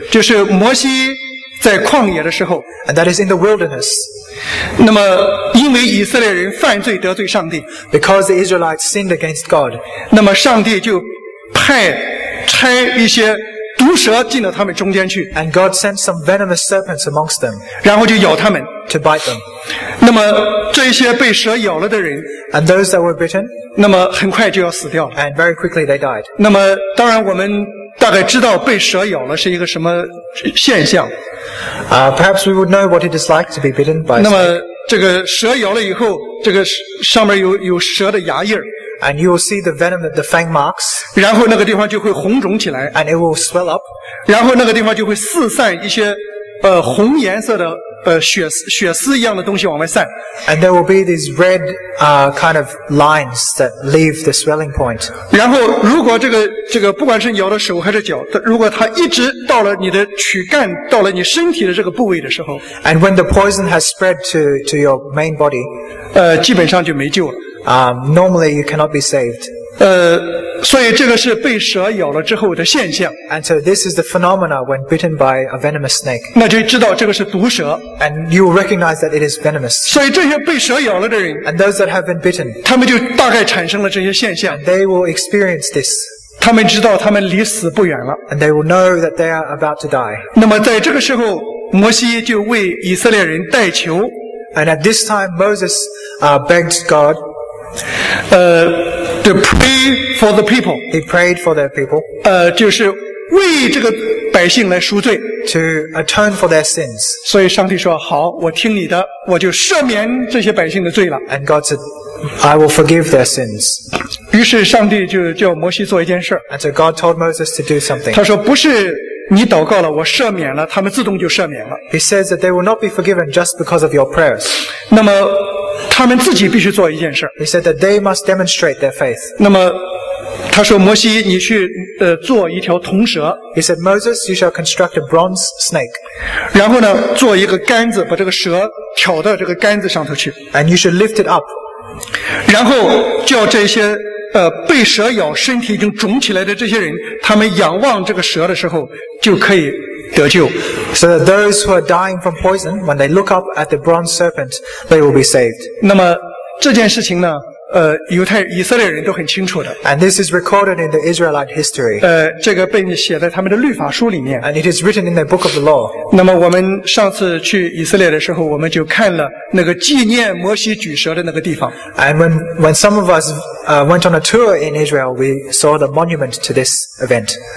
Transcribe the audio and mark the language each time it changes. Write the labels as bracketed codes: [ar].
[zh] 就是摩西在旷野的时候。 [en] And that is in the wilderness. [zh] 那么因为以色列人犯罪得罪上帝。 [en] Because the Israelites sinned against God. [zh] 那么上帝就差一些毒蛇进了他们中间去。 [en] And God sent some venomous serpents amongst them. [zh] 然后就咬他们。 [en] To bite them. [zh] 那么这些被蛇咬了的人。 [en] And those that were bitten. [zh] 那么很快就要死掉。 [en] And very quickly they died. [zh] 那么当然我们大概知道被蛇咬了是一个什么现象。 [en] Perhaps we would know what it is like to be bitten by a snake. [zh] 那么这个蛇咬了以后，这个上面有蛇的牙印。 [en] And you will see the venom, the fang marks. [zh] 然后那个地方就会红肿起来。 [en] And it will swell up. [zh] 然后那个地方就会四散一些红颜色的血丝一样的东西往外散。 [en] And there will be these red kind of lines that leave the swelling point. [zh] 然后如果这个不管是咬的手还是脚，如果它一直到了你的躯干，到了你身体的这个部位的时候。 [en] And when the poison has spread to your main body. [zh] 基本上就没救了。 [en] Normally you cannot be saved. [zh] 所以这个是被蛇咬了之后的现象。 [en] And so this is the phenomena when bitten by a venomous snake. [zh] 那就知道这个是毒蛇。 [en] And you will recognize that it is venomous. [zh] 所以这些被蛇咬了的人。 [en] And those that have been bitten. [zh] 他们就大概产生了这些现象。 [en] And they will experience this. [zh] 他们知道他们离死不远了。 [en] And they will know that they are about to die. [zh] 那么在这个时候，摩西就为以色列人代求。 [en] And at this time, Moses, begged God, to pray for the people. He prayed for their people. [zh] 就是为这个百姓来赎罪。 [en] To atone for their sins. [zh] 所以上帝说，好，我听你的，我就赦免这些百姓的罪了。 [en] And God said, I will forgive their sins. [zh] 于是上帝就叫摩西做一件事。 [en] And so God told Moses to do something. [zh] 他说不是你祷告了，我赦免了，他们自动就赦免了。 [en] He says that they will not be forgiven just because of your prayers. [zh] 那么他们自己必须做一件事。 [en] He said that they must demonstrate their faith. [zh] 那么他说摩西你去做一条铜蛇。 [en] He said, Moses, you shall construct a bronze snake. [zh] 然后呢做一个杆子，把这个蛇挑到这个杆子上头去。 [en] And you should lift it up. [zh] 然后叫这些被蛇咬身体已经肿起来的这些人，他们仰望这个蛇的时候就可以得救。 [en] So that those who are dying from poison, when they look up at the bronze serpent, they will be saved. [zh] 那么这件事情呢，以色列人都很清楚的。 [en] And this is recorded in the Israelite history. [zh] 这个被你写在他们的律法书里面。 [en] And it is written in the book of the law. [zh] 那么我们上次去以色列的时候，我们就看了那个纪念摩西举蛇的那个地方。 [en] And when some of us went on a tour in Israel, we saw the monument to this event.